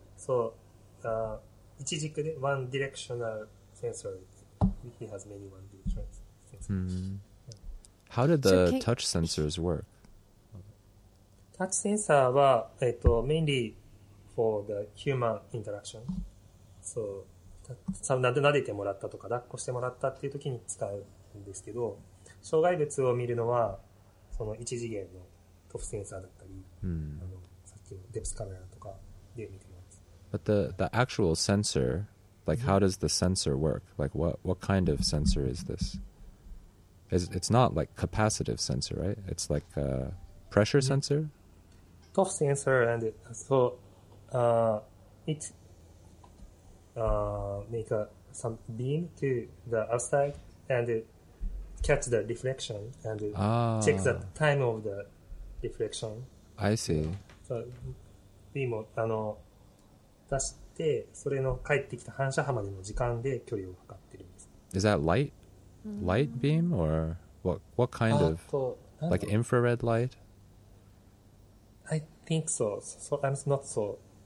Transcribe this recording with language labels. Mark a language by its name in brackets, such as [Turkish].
[English] So, [Japanese] 一軸で [English] one directional sensor. He has many one directional sensors. How did the touch sensors work? Touch sensor は mainly for the human interaction. [Japanese] そう、撫でてもらったとか抱っこしてもらったっていう時に使うんですけど、障害物を見るのはその一次元のToFセンサーだったり、あのさっきのデプスカメラとかで見てます。 [English] But the actual sensor, like how does the sensor work? Like what kind of sensor is this? It's not like capacitive sensor, right? It's like a pressure sensor? ToFセンサー and so make some beam to the outside and catch the reflection and check the time of the reflection. I see. [Japanese] So, beam を出して、それの返ってきた反射波までの時間で距離を測ってるんです。 [English] Is that light? Light beam? Or what kind of? Like infrared light? I think so. So I'm not so.